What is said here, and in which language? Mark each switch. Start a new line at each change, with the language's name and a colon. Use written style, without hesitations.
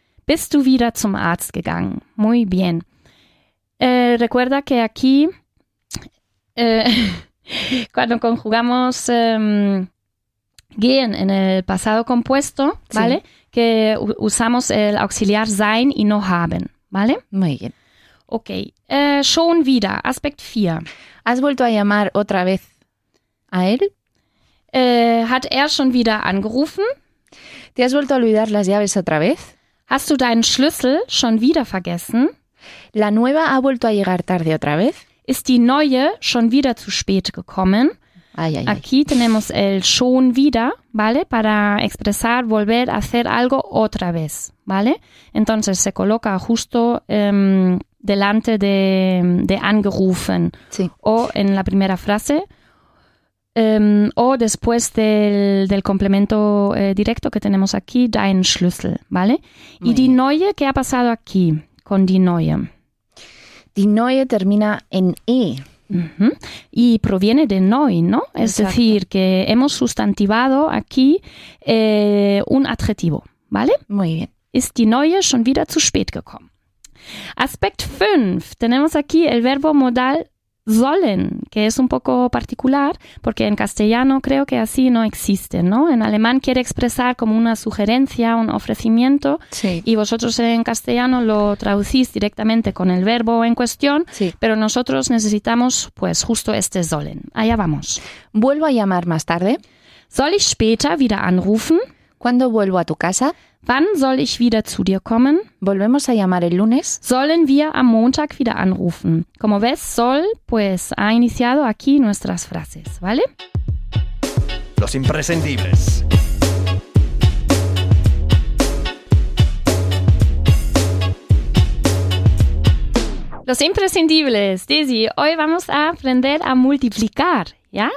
German: Bist du wieder zum Arzt gegangen?
Spanish: Muy bien. Recuerda que aquí, cuando conjugamos gehen en el pasado compuesto, sí, ¿vale? Que usamos el auxiliar sein y no haben, ¿vale? Muy bien.
German: Ok. Schon wieder, Aspekt 4.
Spanish: ¿Has vuelto a llamar otra vez a él?
German: Hat er schon wieder angerufen?
Spanish: ¿Te has vuelto a olvidar las llaves otra vez?
German: Hast du deinen Schlüssel schon wieder vergessen?
Spanish: La nueva ha vuelto a llegar tarde otra vez.
German: Ist die neue schon wieder zu spät gekommen? Ay, ay, ay.
Spanish: Aquí tenemos el schon wieder, ¿vale? Para expresar volver a hacer algo otra vez, ¿vale? Entonces se coloca justo delante de angerufen. Sí. O en la primera frase. O después del complemento directo que tenemos aquí, dein Schlüssel, ¿vale? Muy y die neue, ¿qué ha pasado aquí con die neue? Die neue termina en E. Uh-huh. Y proviene de neu, ¿no? Es Exacto. decir, que hemos sustantivado aquí un adjetivo, ¿vale? Muy bien.
German: Ist die neue schon wieder zu spät gekommen. Aspekt 5.
Spanish: Tenemos aquí el verbo modal sollen, que es un poco particular, porque en castellano creo que así no existe, ¿no? En alemán quiere expresar como una sugerencia, un ofrecimiento, sí. y vosotros en castellano lo traducís directamente con el verbo en cuestión, sí. pero nosotros necesitamos, pues, justo este sollen. Allá vamos. ¿Vuelvo a llamar más tarde?
German: ¿Soll ich später wieder anrufen?
Spanish: ¿Cuándo vuelvo a tu casa?
German: Wann soll ich wieder zu dir kommen?
Spanish: Volvemos a llamar el lunes.
German: Sollen wir am Montag wieder anrufen?
Spanish: Como ves, soll, pues, ha iniciado aquí nuestras frases, ¿vale? Los imprescindibles. Los imprescindibles. Daisy, hoy vamos a aprender a multiplicar. ¿Ya?